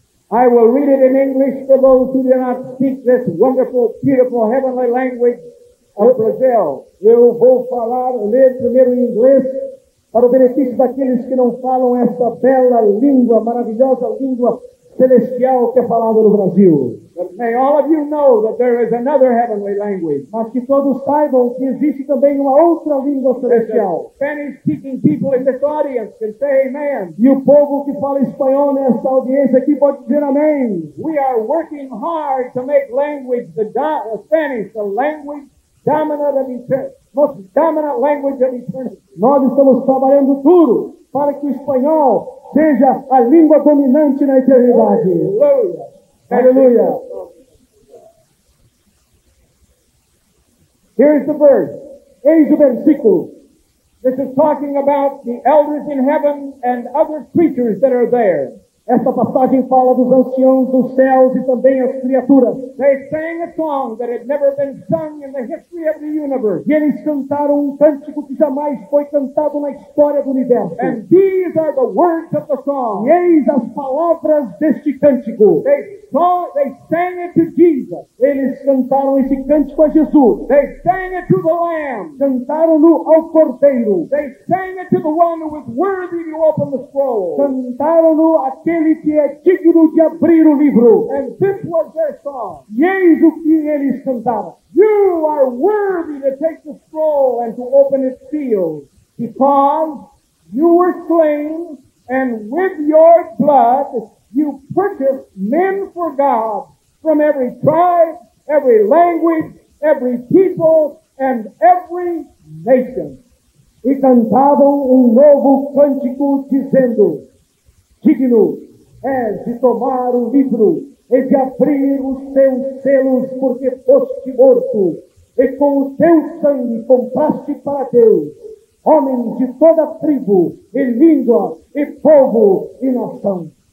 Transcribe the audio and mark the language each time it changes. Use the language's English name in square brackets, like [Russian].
[English] I will read it in English for those who do not speak this wonderful, beautiful, heavenly language of Brazil. [Portuguese] Eu vou falar e ler primeiro em inglês para o benefício daqueles que não falam essa bela língua, maravilhosa língua celestial que é falada no Brasil. [English] But may all of you know that there is another heavenly language. [Portuguese] Mas que todos saibam que existe também uma outra língua celestial. [English] The Spanish-speaking people in this audience can say amen. [Portuguese] E o povo que fala espanhol nessa audiência aqui pode dizer amém. [English] We are working hard to make language the Spanish the language dominant of eternity. Most dominant language of eternity. [Portuguese] Nós estamos trabalhando duro para que o espanhol seja a língua dominante na eternidade. Aleluia. Aleluia. [English] Here's the verse. [Portuguese] Eis o versículo. [English] This is talking about the elders in heaven and other creatures that are there. [Portuguese] Essa passagem fala dos anciãos dos céus e também as criaturas. [English] They sang a song that had never been sung in the history of the universe. [Portuguese] E eles cantaram cântico que jamais foi cantado na história do universo. [English] And these are the words of the song. [Portuguese] E eis as palavras deste cântico. [English] They sang it to Jesus. [Portuguese] Eles cantaram esse cântico a Jesus. [English] They sang it to the Lamb. [Portuguese] Cantaram-no ao Cordeiro. [English] They sang it to the one who was worthy to open the scroll. [Portuguese] Cantaram-no àquele que é digno de abrir o livro. [English] And this was their song. [Portuguese] E eis o que eles cantaram. [English] You are worthy to take the scroll and to open its seals. Because you were slain and with your blood you purchased men for God from every tribe, every language, every people, and every nation. [Portuguese] E cantavam novo cântico dizendo, digno és de tomar o livro e de abrir os teus selos, porque foste morto, e com o teu sangue compraste para Deus homens de toda tribo, e língua, e povo, e nação.